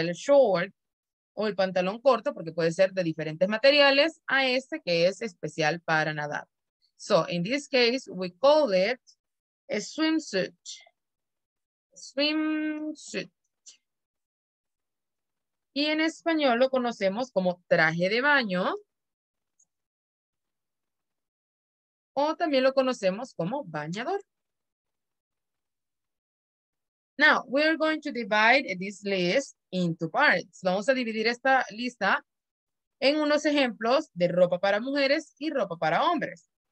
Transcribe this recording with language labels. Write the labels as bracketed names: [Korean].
[Spanish] El short o el pantalón corto, porque puede ser de diferentes materiales, a este que es especial para nadar. [English] So, in this case, we call it a swimsuit. Swimsuit. [Spanish] Y en español lo conocemos como traje de baño. O también lo conocemos como bañador. [English] Now, we are going to divide this list into parts. [Spanish] Vamos a dividir esta lista en unos ejemplos de ropa para mujeres y ropa para hombres.